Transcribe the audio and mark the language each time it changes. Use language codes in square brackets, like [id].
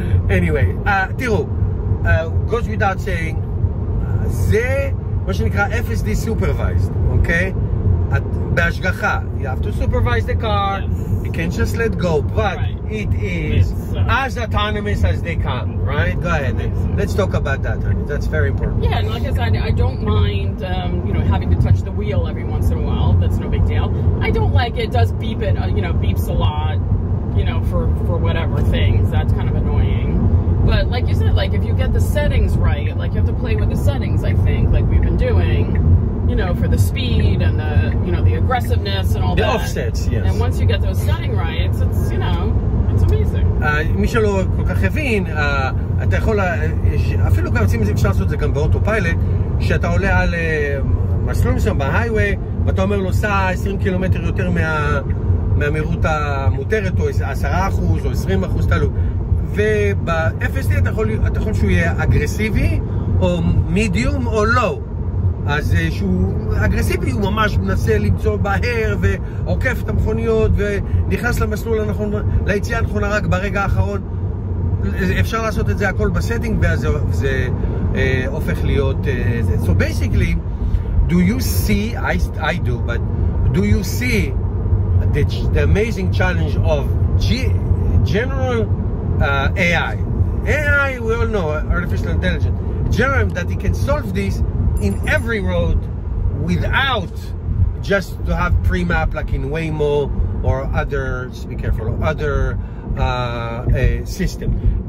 [en] Anyway, [he] תראו, [en] goes without saying, [he] זה מה שנקרא [en] FSD supervised, [he] אוקיי? בהשגחה, [en] you have to supervise the car, yes. You can't just let go, but right. It is as autonomous as they come, right? Go ahead, let's talk about that, honey. That's very important. Yeah, and like I said, I don't mind you know, having to touch the wheel every once in a while. That's no big deal. I don't like it, does beep it, you know, beeps a lot, you know, for whatever things. That's kind of annoying. But like you said, like if you get the settings right, like you have to play with the settings, I think, like we've been doing. You know, for the speed and the, you know, the aggressiveness and all the that. The offsets, yes. And once you get those setting right, it's, you know, it's amazing. [he] מי שלא כל כך הבין, אתה יכול, אפילו גם עושים את זה, אפשר לעשות את זה גם באוטופיילט, שאתה עולה על מסלול מסוים בהיי-ווי, ואתה אומר לו, סע 20 קילומטר יותר מהמהירות המותרת, או 10% או 20%, תלו. וב-FSD אתה יכול, שהוא יהיה אגרסיבי, או מידיום, או לא. אז שהוא אגרסיבי, הוא ממש מנסה למצוא בהר ועוקף את המכוניות ונכנס למסלול הנכון, ליציאה הנכונה רק ברגע האחרון. אפשר לעשות את זה הכל בסטינג ואז זה הופך להיות זה. [en] So basically, do you see, I do, but do you see the amazing challenge of general AI? AI, we all know, artificial intelligence. General, that it can solve this in every road without just to have pre-map like in Waymo or others, be careful, other system.